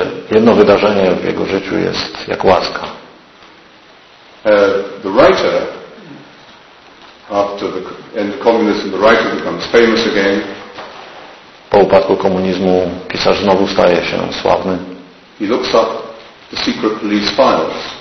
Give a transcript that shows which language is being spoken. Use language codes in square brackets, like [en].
[pl] Jedno wydarzenie w jego życiu jest jak łaska. [en] The writer, after the end of communism, the writer becomes famous again. [pl] Po upadku komunizmu pisarz znowu staje się sławny. [en] He looks up the secret police files.